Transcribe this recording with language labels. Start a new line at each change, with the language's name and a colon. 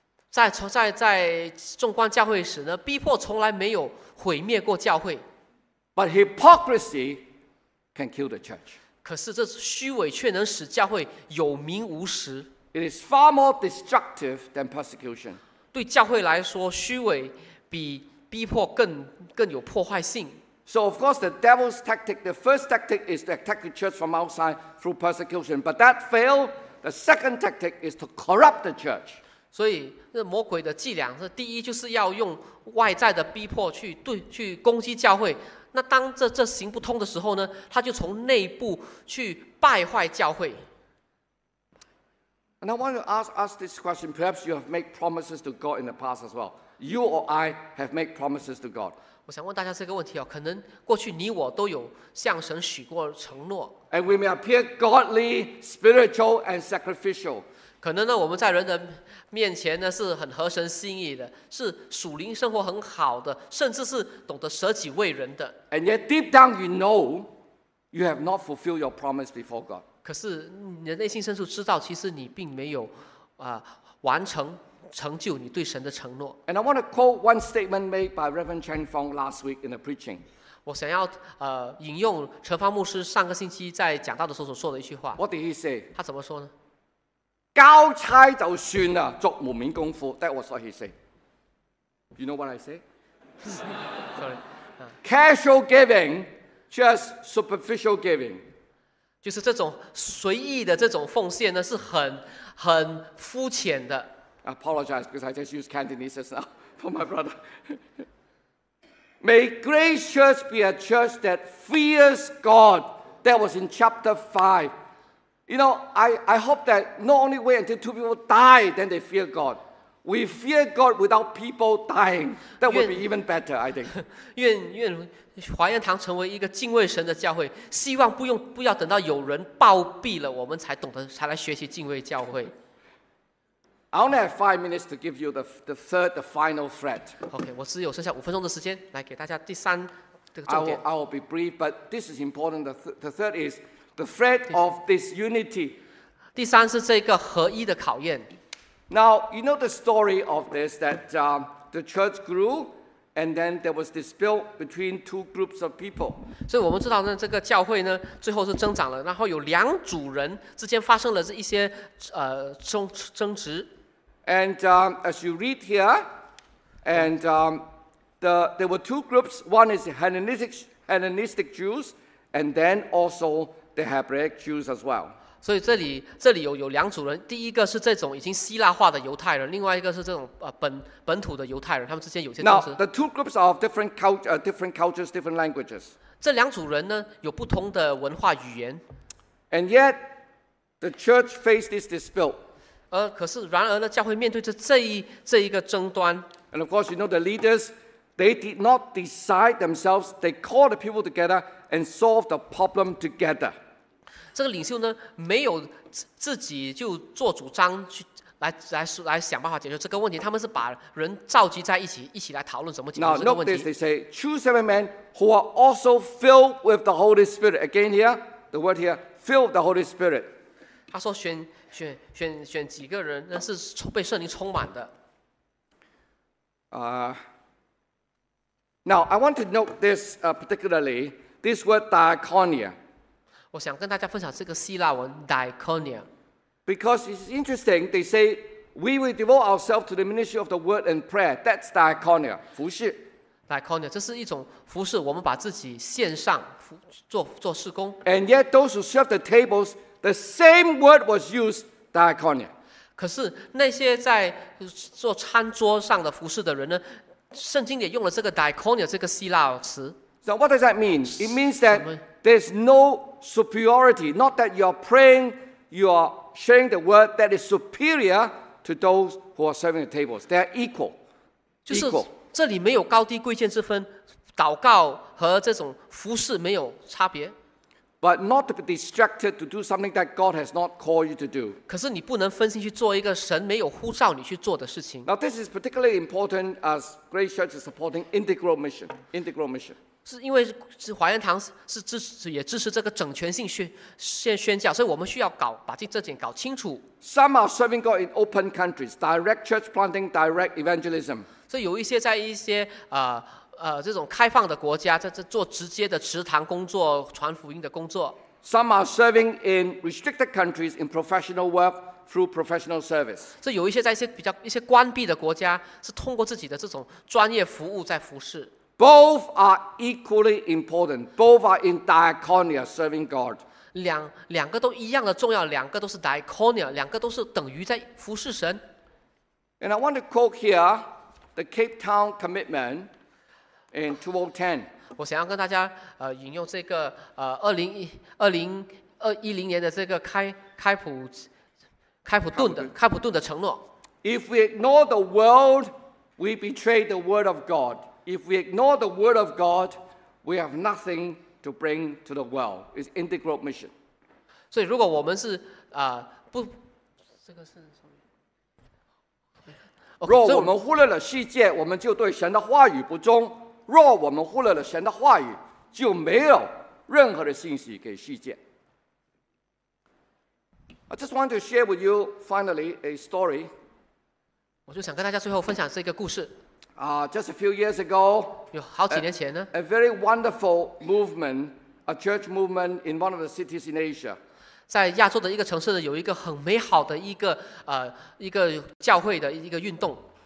Chinese: 在纵观教会时呢，逼迫从来没有毁灭过教会。
English: But hypocrisy can kill the church.
Chinese: 可是这虚伪却能使教会有名无实。
English: It is far more destructive than persecution.
Chinese: 对教会来说，虚伪比逼迫更有破坏性。
English: So of course the devil's tactic, the first tactic is to attack the church from outside through persecution. But that failed. The second tactic is to corrupt the church.
Chinese: 所以那魔鬼的伎俩是第一就是要用外在的逼迫去攻击教会。那当这行不通的时候呢，他就从内部去败坏教会。
English: And I want to ask this question. Perhaps you have made promises to God in the past as well. You or I have made promises to God.
Chinese: 我想问大家这个问题哦，可能过去你我都有向神许过承诺。
English: And we may appear godly, spiritual, and sacrificial.
Chinese: 可能呢，我们在人的面前呢是很合神心意的，是属灵生活很好的，甚至是懂得舍己为人的。
English: And yet deep down you know you have not fulfilled your promise before God.
Chinese: 可是你的内心深处知道，其实你并没有完成。成就你对神的承诺。
English: And I want to quote one statement made by Reverend Chen Fong last week in the preaching.
Chinese: 我想要引用陈方牧师上个星期在讲道的时候所说的一句话。
English: What did he say?
Chinese: 他怎么说呢？交差就算了，做门面功夫。
English: That was what he said. You know what I say? Sorry. Casual giving, just superficial giving.
Chinese: 就是这种随意的这种奉献呢，是很肤浅的。
English: I apologize because I just use Cantonese now for my brother. May Grace Church be a church that fears God. That was in chapter 5. You know, I hope that not only wait until two people die, then they fear God. We fear God without people dying. That would be even better, I think.
Chinese: 愿华严堂成为一个敬畏神的教会，希望不要等到有人暴毙了，我们才懂得才来学习敬畏教会。
English: I only have 5 minutes to give you the third, the final threat.
Chinese: Okay, 我只有剩下五分钟的时间来给大家第三这个重点。
English: I will be brief, but this is important. The third is the threat of disunity.
Chinese: 第三是这个合一的考验。
English: Now you know the story of this that the church grew, and then there was dispute between two groups of people.
Chinese: 所以我们知道呢，这个教会呢，最后是增长了，然后有两组人之间发生了这一些争执。
English: And as you read here, and there were two groups. One is Hellenistic Jews, and then also the Hebraic Jews as well.
Chinese: 所以这里有两组人，第一个是这种已经希腊化的犹太人，另外一个是这种本土的犹太人，他们之间有些争执。
English: Now the two groups are of different cultures, different languages.
Chinese: 这两组人呢，有不同的文化语言。
English: And yet, the church faced this dispute.
Chinese: 可是然而呢，教会面对着这一个争端。
English: And of course, you know the leaders, they did not decide themselves. They called the people together and solved the problem together.
Chinese: 这个领袖呢，没有自己就做主张去来想办法解决这个问题。他们是把人召集在一起来讨论怎么解决这个问题。
English: Now, note this, they say, choose 7 men who are also filled with the Holy Spirit. Again, here, the word here, filled with the Holy Spirit.
Chinese: 他说选几个人是被圣灵充满的。
English: Now I want to note this particularly this word diaconia.
Chinese: 我想跟大家分享这个希腊文 diaconia.
English: Because it's interesting, they say we will devote ourselves to the ministry of the word and prayer. That's diaconia, 服事。
Chinese: Diaconia 这是一种服事，我们把自己献上，做事工。
English: And yet those who serve the tables, the same word was used, diaconia.
Chinese: 可是那些在做餐桌上的服事的人呢，圣经也用了这个 diaconia 这个希腊词。
English: So what does that mean? It means that there's no superiority. Not that you're praying, you're sharing the word that is superior to those who are serving the tables. They are equal.
Chinese: 就是这里没有高低贵贱之分，祷告和这种服事没有差别。
English: But not to be distracted to do something that God has not called you to do.
Chinese: 可是你不能分心去做一个神没有呼召你去做的事情。
English: Now this is particularly important as Grace Church is supporting integral mission. Integral mission.
Chinese: 是因为华严堂是支持这个整全性宣教，所以我们需要把这点搞清楚。
English: Some are serving God in open countries, direct church planting, direct evangelism.
Chinese: 所以有一些在一些这种开放的国家在做直接的祠堂工作，传福音的工作。
English: Some are serving in restricted countries in professional work through professional service.
Chinese: 这有一些在一些关闭的国家，是通过自己的这种专业服务在服事。
English: Both are equally important. Both are in diaconia serving God.
Chinese: 两个都一样的重要，两个都是 diaconia， 两个都是等于在服事神。
English: And I want to quote here the Cape Town commitment. In 2010,
Chinese: 我想要跟大家引用这个2010年的这个开普敦的承诺。
English: If we ignore the world, we betray the word of God. If we ignore the word of God, we have nothing to bring to the world. It's integral mission.
Chinese: 所以如果我们是不，这个是。若我们忽略了世界，我们就对神的话语不忠。若我们忽略了神的话语，就没有任何的信息给世界。
English: I just want to share with you finally a story.
Chinese: 我就想跟大家最后分享这个故事。
English: Just a few years ago,
Chinese: 有好几年前呢
English: a very wonderful movement, a church movement in one of the cities in Asia.
Chinese: 在亚洲的一个城市呢，有一个很美好的一个教会的一个运动。